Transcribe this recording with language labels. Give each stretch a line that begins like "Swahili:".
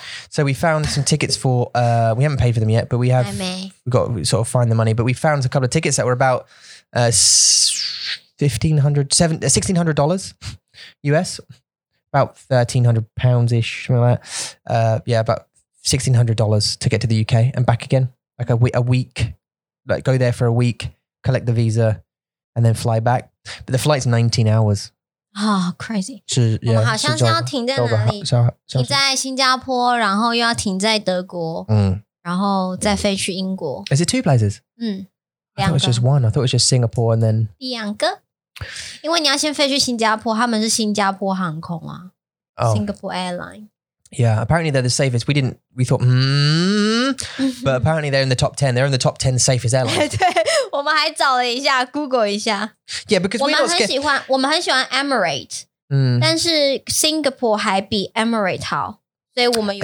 English: So we found some tickets for, we haven't paid for them yet, but we have, we've got to sort of find the money, but we found a couple of tickets that were about $1,600 US, about £1,300-ish, something like that. Yeah, about $1,600 to get to the UK and back again, like a week, like go there for a week, collect the visa. And then fly back. But the flight's 19 hours. Oh, crazy. 是 yeah,
Chinese: 我们好像是要停在哪里？停在新加坡，然后又要停在德国，嗯，然后再飞去英国。
English: Is it two places?
Chinese: 嗯，两个。
English: I thought it was just one. I thought it was just Singapore and then...
Chinese: 两个。因为你要先飞去新加坡，他们是新加坡航空啊。
English: Oh. Singapore Airline. Yeah, apparently they're the safest. We thought, but apparently they're in the top 10. They're in the top 10 safest airlines.
Chinese: 对，我们还找了一下 ，Google 一下。
English: Yeah, because we're not scared.
Chinese: 我们很喜欢 Emirates. 嗯，但是 Singapore 还比 Emirates 好，所以我们有。